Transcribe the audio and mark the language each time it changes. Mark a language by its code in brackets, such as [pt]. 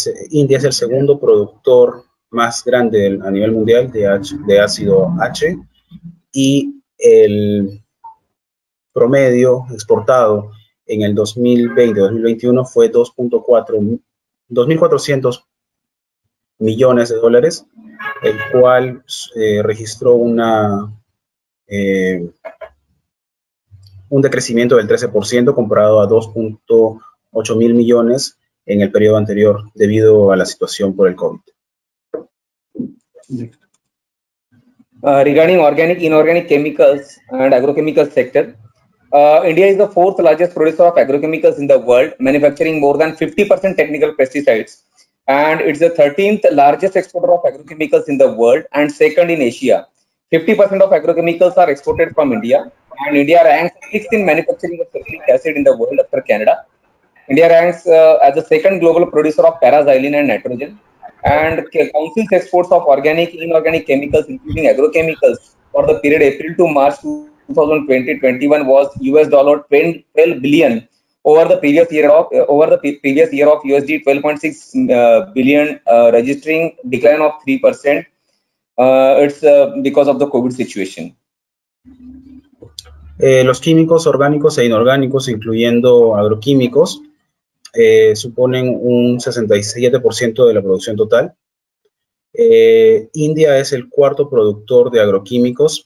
[es] India es el segundo productor más grande a nivel mundial de ácido H y el promedio exportado en el 2020-2021 fue 2.400 millones de dólares, el cual registró un decrecimiento del 13% comparado a 2.8 mil millones en el periodo anterior debido a la situación por el COVID. [en] Regarding organic, inorganic chemicals and agrochemical sector, India is the fourth largest producer of agrochemicals in the world, manufacturing more than 50% technical pesticides. And it's the 13th largest exporter of agrochemicals in the world and second in Asia. 50% of agrochemicals are exported from India, and India ranks 6th in manufacturing of sulfuric acid in the world after Canada. India ranks as the second global producer of paraxylene and nitrogen, and council's exports of organic inorganic chemicals including agrochemicals for the period April to March 2020-21 was US$12 billion over the previous year of USD 12.6 billion registering decline of 3%. It's because of the COVID situation. [es] Los químicos orgánicos e inorgánicos, incluyendo agroquímicos, suponen un 67% de la producción total. India es el cuarto productor de agroquímicos.